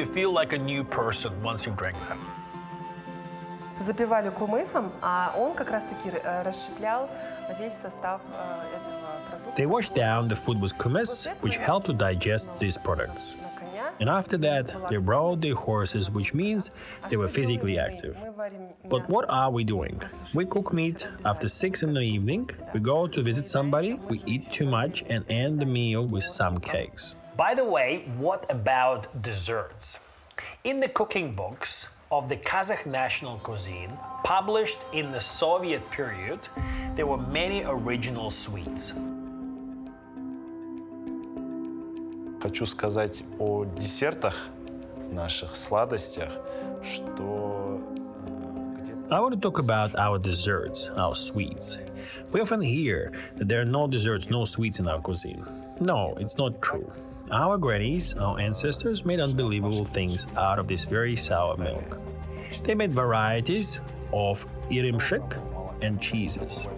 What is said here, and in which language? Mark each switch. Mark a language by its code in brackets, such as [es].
[en] Like a new person once you drink them. [ru] Запивали кумысом, а он как раз-таки расщеплял весь состав этого продукта. [en] They washed down the food with kumis, which helped to digest these products. And after that, they rode their horses, which means they were physically active. But what are we doing? We cook meat after 6 in the evening, we go to visit somebody, we eat too much and end the meal with some cakes. By the way, what about desserts? In the cooking books, of the Kazakh national cuisine, published in the Soviet period, there were many original sweets. [ru] Хочу сказать о десертах наших сладостях, что где-то. [en] I want to talk about our desserts, our sweets. We often hear that there are no desserts, no sweets in our cuisine. No, it's not true. Our grannies, our ancestors, made unbelievable things out of this very sour milk. They made varieties of irimshik and cheeses.